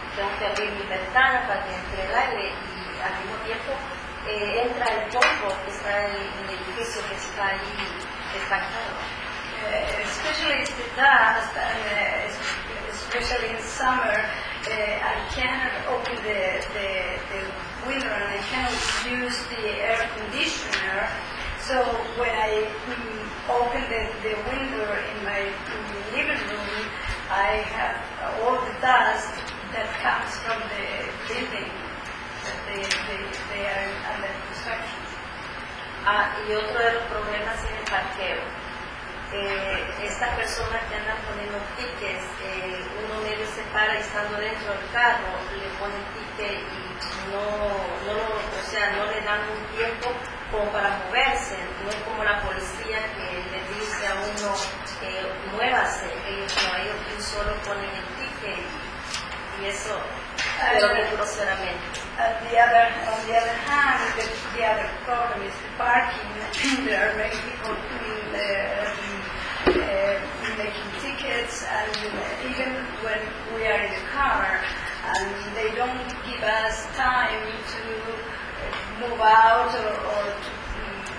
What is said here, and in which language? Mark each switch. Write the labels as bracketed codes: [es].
[es] Tengo que abrir mi ventana para que entre el aire y al mismo tiempo entra el polvo que está en el edificio que está ahí estancado. [en] Especially the dust, and especially in summer, I can't open the window and I can't use the air conditioner. So when I open the window in my living room, I have all the dust that comes from the building that they are under construction. [es] Y otro de los problemas es el parqueo. Estas personas que andan poniendo tickets, uno medio se para y estando dentro del carro, le pone ticket y no le dan un tiempo como para moverse. No es como la policía que le dice a uno, muévase. Ellos que solo ponen el ticket y eso es groseramente. [en] On the other hand, the other problem is the parking. There are many people in the making tickets, and even when we are in the car and they don't give us time to move out or to